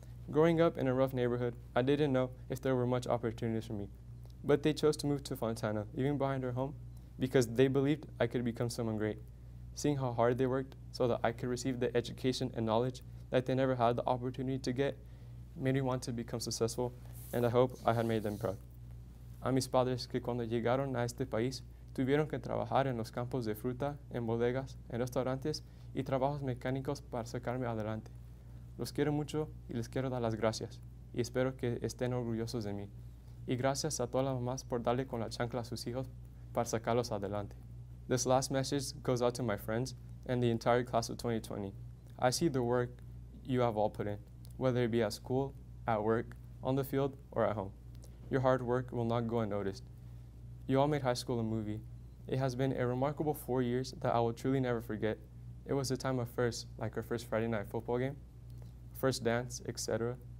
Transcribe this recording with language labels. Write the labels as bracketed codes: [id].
[en] Growing up in a rough neighborhood, I didn't know if there were much opportunities for me, but they chose to move to Fontana, leaving behind our home, because they believed I could become someone great. Seeing how hard they worked so that I could receive the education and knowledge that they never had the opportunity to get made me want to become successful, and I hope I had made them proud. [es] A mis padres que cuando llegaron a este país tuvieron que trabajar en los campos de fruta, en bodegas, en restaurantes y trabajos mecánicos para sacarme adelante. Los quiero mucho y les quiero dar las gracias, y espero que estén orgullosos de mí. Y gracias a todas las mamás por darle con la chancla a sus hijos para sacarlos adelante. [en] This last message goes out to my friends and the entire class of 2020. I see the work you have all put in, whether it be at school, at work, on the field, or at home. Your hard work will not go unnoticed. You all made high school a movie. It has been a remarkable 4 years that I will truly never forget. It was a time of firsts, like our first Friday night football game, first dance, etc.